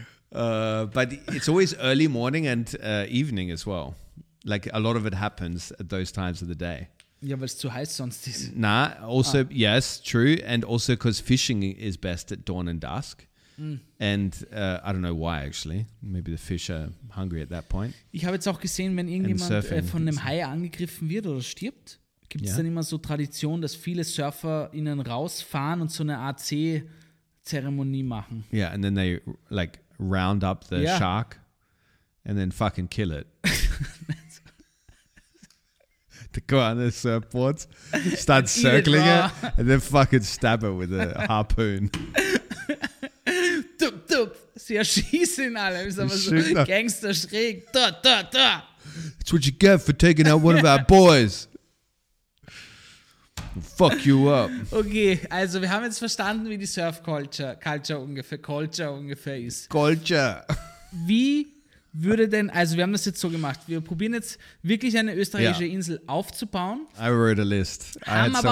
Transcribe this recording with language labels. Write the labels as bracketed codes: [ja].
[en] But it's always early morning and evening as well. Like, a lot of it happens at those times of the day. Yeah, but it's too hot sonst. Nah, also, yes, true. And also because fishing is best at dawn and dusk. Mm. And I don't know why, actually. Maybe the fish are hungry at that point. [de] Ich habe jetzt auch gesehen, wenn irgendjemand von einem Hai angegriffen wird oder stirbt, gibt es dann immer so Tradition, dass viele Surfer innen rausfahren und so eine Art Seezeremonie machen. [en] Yeah, and then they, like, round up the shark and then fucking kill it. To go on the surfboards, start circling it, and then fucking stab it with a harpoon. [de] Dup, dup. Sie erschießen alle. Ist aber so gangster schräg. Da, da, da. [en] It's what you get for taking out one of our boys. Fuck you up. [de] Okay, also wir haben jetzt verstanden, wie die Surf-Culture ungefähr ist. [en] Culture. [de] Wie würde denn, also wir haben das jetzt so gemacht, wir probieren jetzt wirklich eine österreichische Insel aufzubauen. [en] I wrote a list. I had so much fun.